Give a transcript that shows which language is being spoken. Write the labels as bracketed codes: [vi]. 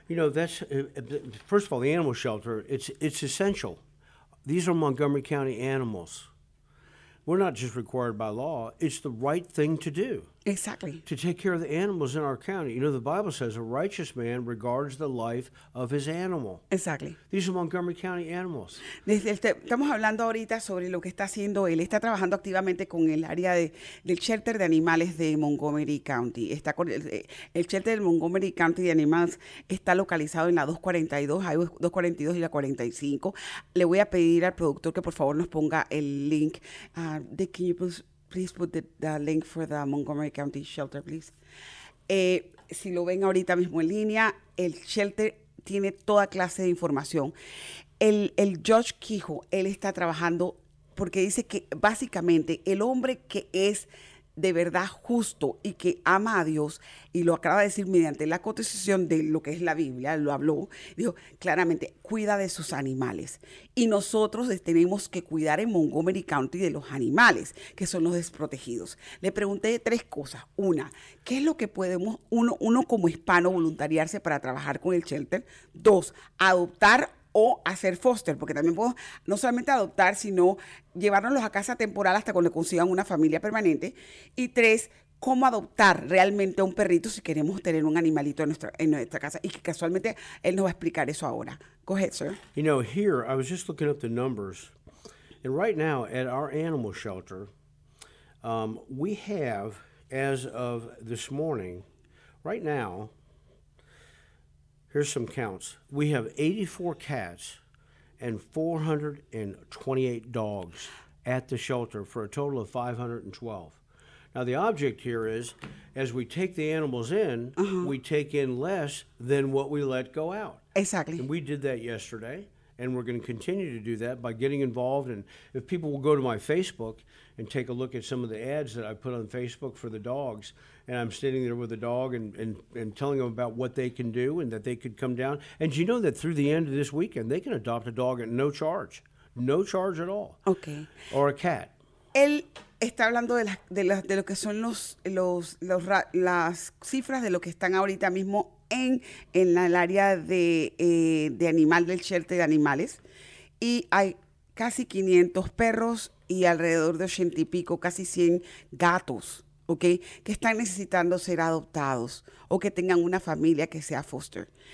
[en] You know, that's, first of all, the animal shelter, it's essential. These are Montgomery County animals. We're not just required by law. It's the right thing to do. Exactly. To take care of the animals in our county. You know, the Bible says a righteous man regards the life of his animal. Exactly. These are Montgomery County animals. [es] Estamos hablando ahorita sobre lo que está haciendo él. Está trabajando activamente con el área del shelter de animales de Montgomery County. El shelter de Montgomery County de Animals está localizado en la 242, hay 242 y la 45. Le voy a pedir al productor que por favor nos ponga el link. [en] Can you please put the link for the Montgomery County shelter, please? [es] Si lo ven ahorita mismo en línea, el shelter tiene toda clase de información. El Judge Kehoe, él está trabajando porque dice que básicamente el hombre que es de verdad justo y que ama a Dios, y lo acaba de decir mediante la constitución de lo que es la Biblia, lo habló, dijo claramente, cuida de sus animales. Y nosotros tenemos que cuidar en Montgomery County de los animales, que son los desprotegidos. Le pregunté tres cosas. Una, ¿qué es lo que podemos uno como hispano voluntariarse para trabajar con el shelter? Dos, adoptar o hacer foster, porque también puedo no solamente adoptar, sino llevárnoslos a casa temporal hasta cuando consigan una familia permanente. Y tres, ¿cómo adoptar realmente a un perrito si queremos tener un animalito en nuestra casa? Y que casualmente él nos va a explicar eso ahora. [en] Go ahead, sir. You know, here, I was just looking up the numbers. And right now, at our animal shelter, we have, as of this morning, right now, here's some counts. We have 84 cats and 428 dogs at the shelter for a total of 512. Now, the object here is, as we take the animals in, uh-huh, we take in less than what we let go out. Exactly. And we did that yesterday, and we're going to continue to do that by getting involved. And if people will go to my Facebook and take a look at some of the ads that I put on Facebook for the dogs, and I'm standing there with the dog and telling them about what they can do and that they could come down. And you know that through the end of this weekend, they can adopt a dog at no charge. No charge at all. Okay. Or a cat. [es] El está hablando de lo que son los las cifras de lo que están ahorita mismo en el área de animal del shelter de animales. Y hay casi 500 perros y alrededor de 80 y pico, casi 100 gatos, ¿okay?, que están necesitando ser adoptados o que tengan una familia que sea foster.